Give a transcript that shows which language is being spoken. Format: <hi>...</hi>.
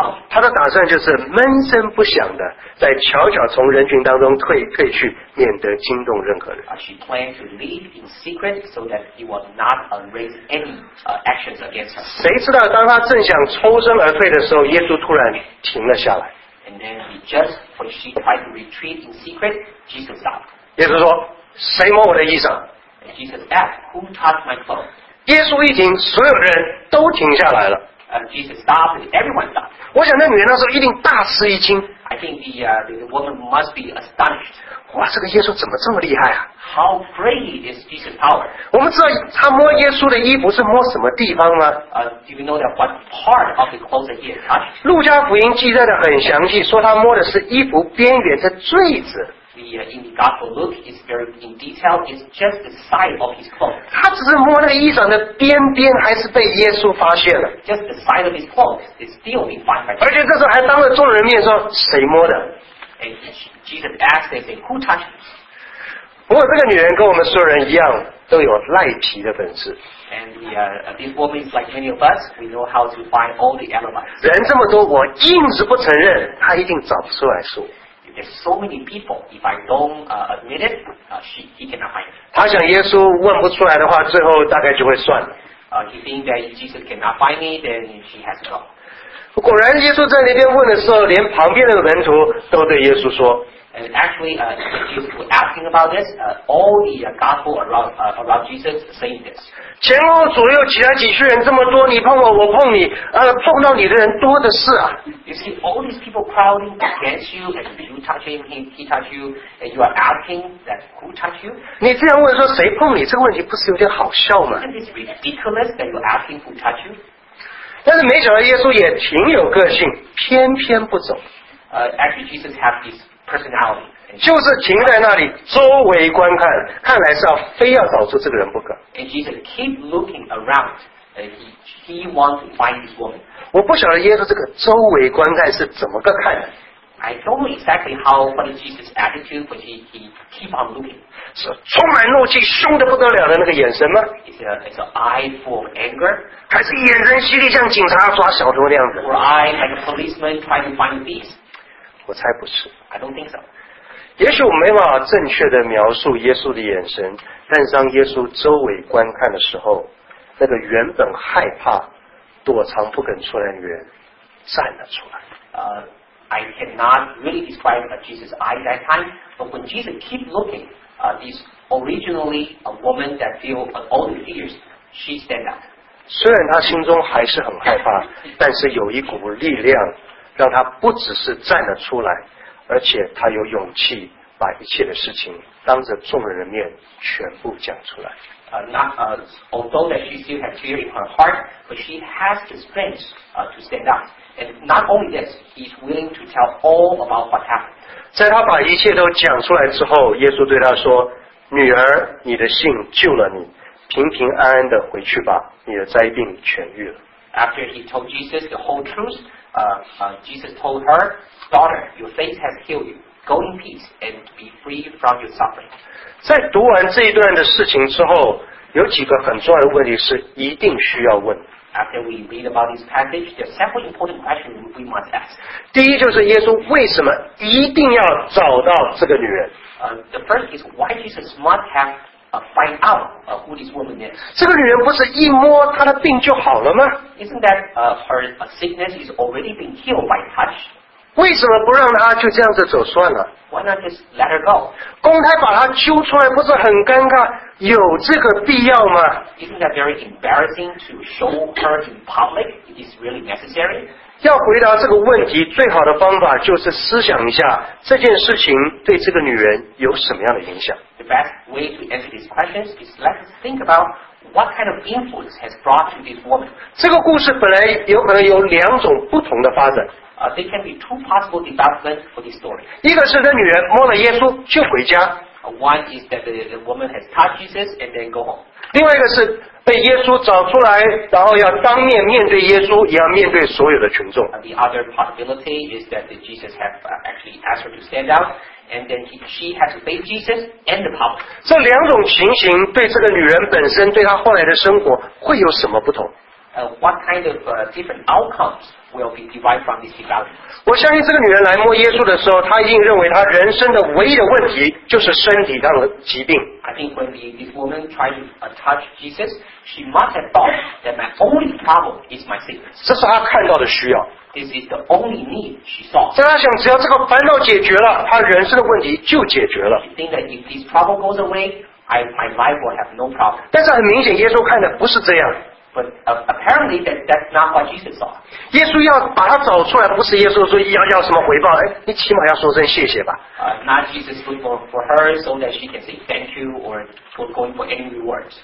<zh>他的打算就是闷声不响的在悄悄从人群当中退去，免得惊动任何人。</zh> <en>She planned to leave in secret so that he would not raise any actions against her.</en> <zh>谁知道当他正想抽身而退的时候，耶稣突然停了下来。</zh> <en>And then he just when she tried to retreat in secret, Jesus stopped.</en> <zh>耶稣说：“谁摸我的衣裳？”</zh> <en>And Jesus asked, "Who touched my cloak?"</en> <zh>耶稣一听，所有人都停下来了。</zh> <en>Jesus stopped, and everyone stopped.</en> <zh>我想那女人那时候一定大吃一惊。</zh> <en>I think the woman must be astonished.</en> <zh>哇，这个耶稣怎么这么厉害啊？</zh> <en>How great is Jesus' power?</en> <zh>我们知道他摸耶稣的衣服是摸什么地方吗？</zh> <en>Do you know that what part of the clothes that he has touched?</en> <zh>路加福音记载的很详细，说他摸的是衣服边缘的坠子。</zh> <en>In the Gospel Luke, it's very in detail. It's just the side of his cloak.</en> <zh>他只是摸那个衣裳的边边，还是被耶稣发现了。</zh> <en>Just the side of his cloak is still being found by</en> <zh>Jesus. 而且这时候还当着众人面说：“谁摸的？”</zh> <en>And Jesus asked, "They say, who touched me?"</en> <zh>不过这个女人跟我们所有人一样，都有赖皮的本事。</zh> <en>And this woman is like many of us. We know how to find all the alibis.</en> <zh>人这么多，我硬是不承认，她一定找不出来说。</zh> <en>There's so many people. If I don't admit it, he cannot find it.</en> <zh>他想耶稣问不出来的话，最后大概就会算了。</zh> <en>He thinks that if Jesus cannot find me, then she has to go.</en> <zh>果然，耶稣在那边问的时候，连旁边的门徒都对耶稣说。</zh> <en>And actually, Jesus was asking about this. All the gospel around Jesus saying this.</en> <zh>前后左右其他几群人这么多，你碰我，我碰你，碰到你的人多的是啊。</zh> <en>You see all these people crowding against you, and you touch him, he touch you, and you are asking that who touch you?</en> <zh>你这样问说谁碰你，这个问题不是有点好笑吗？</zh> <en>Isn't it ridiculous that you are asking who touch you?</en> <zh>但是没想到耶稣也挺有个性，偏偏不走。</zh> <en>Actually, Jesus has this personality.</en> <zh>就是停在那里，周围观看，看来是要非要找出这个人不可。</zh> <en>And Jesus keep looking around. He wants to find this woman.</en> <zh>我不晓得耶稣这个周围观看是怎么个看的。</zh> <en>I don't know exactly how what is Jesus' attitude, but he keep on looking.</en> <zh>是充满怒气、凶得不得了的那个眼神吗？</zh> <en>It's an eye full of anger.</en> <zh>还是眼神犀利，像警察抓小偷那样子？</zh> <en>Or eye like a policeman trying to find thieves?</en> <zh>我猜不是。</zh> <en>I don't think so.</en> <zh>也许我没办法正确的描述耶稣的眼神，但是当耶稣周围观看的时候，那个原本害怕躲藏不肯出来的人站了出来。</zh> <en>I cannot really describe Jesus' eye that time. But when Jesus keep looking, this originally a woman that feel all the fears, she stand up.</en> <zh>虽然他心中还是很害怕，但是有一股力量让他不只是站了出来，而且他有勇气把一切的事情当着众人的面全部讲出来。</zh> <en>Although that she still has fear in her heart, but she has the strength to stand up. And not only that, he's willing to tell all about what happened.</en> <zh>在他把一切都讲出来之后，耶稣对他说：“女儿，你的信救了你。” 平平安安的回去吧，你的灾病痊愈了。</zh> <en>After he told Jesus the whole truth, Jesus told her, "Daughter, your faith has healed you. Go in peace and be free from your suffering."</en> <zh>在读完这一段的事情之后，有几个很重要的问题是一定需要问。</zh> <en>After we read about this passage, there are several important questions we must ask.</en> <zh>第一就是耶稣为什么一定要找到这个女人？</zh> <en>The first is why Jesus must have find out who this woman is.</en> <zh>这个女人不是一摸她的病就好了吗？</zh> <en>Isn't that her sickness is already been healed by touch?</en> <zh>为什么不让她就这样子走算了？</zh> <en>Why not just let her go?</en> <zh>公开把她揪出来不是很尴尬？有这个必要吗？</zh> <en>Isn't that very embarrassing to show her in public? It is really necessary?</en> <zh>要回答这个问题，最好的方法就是思想一下这件事情对这个女人有什么样的影响。</zh> <en>The best way to answer these questions is let us think about what kind of influence has brought to this woman.</en> <zh>这个故事本来有可能有两种不同的发展。</zh> <en>There can be two possible developments for this story.</en> <zh>一个是这女人摸了耶稣就回家。</zh> <en>One is that the woman has touched Jesus and then go home.</en> <zh>另外一个是被耶稣找出来，然后要当面面对耶稣，也要面对所有的群众。</zh> <en>The other possibility is that Jesus has actually asked her to stand up. And then she has to face Jesus and the public.</en> <zh>这两种情形对这个女人本身，对她后来的生活会有什么不同？</zh> <en>What kind of different outcomes will be derived from this development?</en> <zh>我相信这个女人来摸耶稣的时候，她一定认为她人生的唯一的问题就是身体上的疾病。</zh> <en>I think when this woman tried to touch Jesus, she must have thought that my only problem is my sickness.</en> <zh>这是她看到的需要。</zh> <en>This is the only need she saw.</en> <zh>在她想，只要这个烦恼解决了，她人生的问题就解决了。</zh> <en>She think that if this trouble goes away, my life will have no problem.</en> <zh>但是很明显，耶稣看的不是这样。</zh> <en>But apparently that's not what Jesus saw.</en> <zh>耶稣要把他找出来，不是耶稣说要什么回报？哎，你起码要说声谢谢吧。</zh> <en>Not Jesus looking for her so that she can say thank you or for going for any rewards.</en>